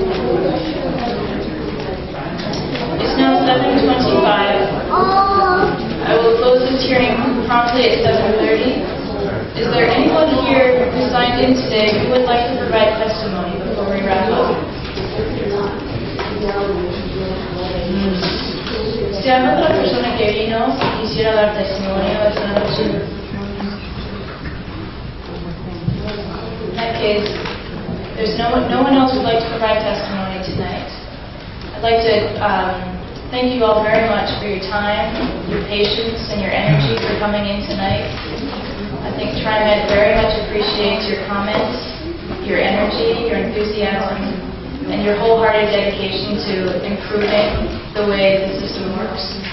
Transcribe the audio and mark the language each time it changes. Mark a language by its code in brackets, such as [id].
[en] It's now 7:25. I will close this hearing promptly at 7:30. Is there anyone here who signed in today who would like to provide testimony before we wrap up? [es] Se hay otra persona que vino y quisiera dar testimonio esta noche. [en] There's no one else would like to provide testimony tonight. I'd like to thank you all very much for your time, your patience, and your energy for coming in tonight. I think TriMet very much appreciates your comments, your energy, your enthusiasm, and your wholehearted dedication to improving the way the system works.